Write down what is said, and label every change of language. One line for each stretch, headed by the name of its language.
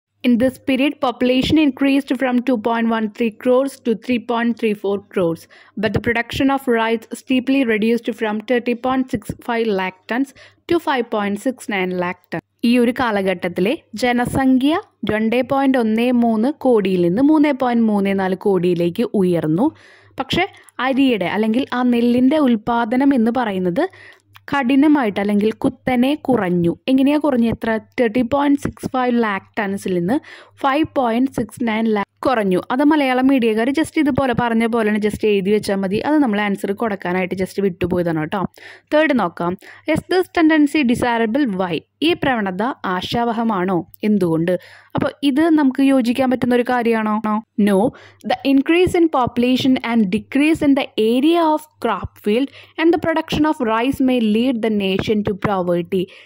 English: In this period population increased from 2.13 crores to 3.34 crores, but the production of rice steeply reduced from 30.65 lakh tons to 5.69 lakh tons.
Malayalam: ഈ ഒരു കാലഘട്ടത്തിലെ ജനസംഖ്യ 2.13 crore നിന്ന് 3.34 crore ഉയർന്നു, പക്ഷേ അരിയുടെ അല്ലെങ്കിൽ ആ നെല്ലിൻ്റെ ഉൽപ്പാദനം എന്ന് പറയുന്നത് കഠിനമായിട്ട് അല്ലെങ്കിൽ കുത്തനെ കുറഞ്ഞു. എങ്ങനെയാണ് കുറഞ്ഞു? എത്ര? 30.65 lakh tons നിന്ന് 5.69 lakh കുറഞ്ഞു. അത് മലയാളം മീഡിയക്കാർ ജസ്റ്റ് ഇതുപോലെ പറഞ്ഞ പോലെ തന്നെ ജസ്റ്റ് എഴുതി വെച്ചാൽ മതി. അത് നമ്മൾ ആൻസർ കൊടുക്കാനായിട്ട് ജസ്റ്റ് വിട്ടുപോയതാണ് കേട്ടോ.
English: Third നോക്കാം. Is this tendency desirable? Why?
Malayalam: ഈ പ്രവണത ആശാവഹമാണോ? എന്തുകൊണ്ട്? അപ്പോൾ ഇത് നമുക്ക് യോജിക്കാൻ പറ്റുന്ന ഒരു കാര്യമാണോ?
English: No. The increase in population and decrease in the area of crop field and the production of rice may lead the nation to poverty.